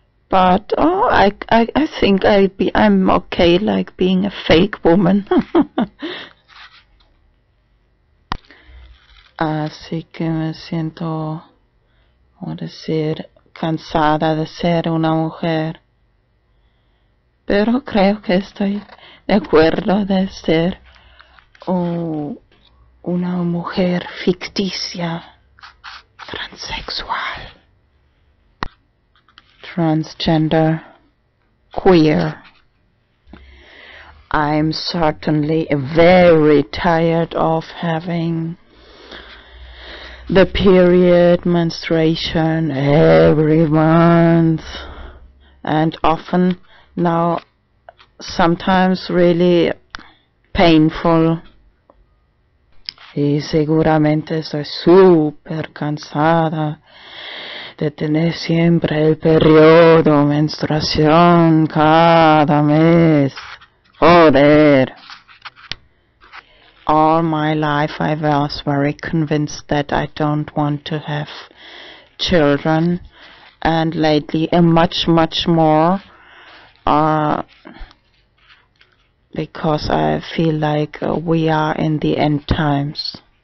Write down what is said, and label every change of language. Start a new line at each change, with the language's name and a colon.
English: But I think I'm okay like being a fake woman.
Spanish: Así que me siento, como decir, cansada de ser una mujer. Pero creo que estoy de acuerdo de ser una mujer ficticia, transexual, transgender, queer.
English: I'm certainly very tired of having the period, menstruation, every month, and often now, sometimes really painful.
Spanish: Y seguramente soy súper cansada de tener siempre el periodo, menstruación, cada mes. Joder.
English: All my life I was very convinced that I don't want to have children, and lately much more because I feel like we are in the end times.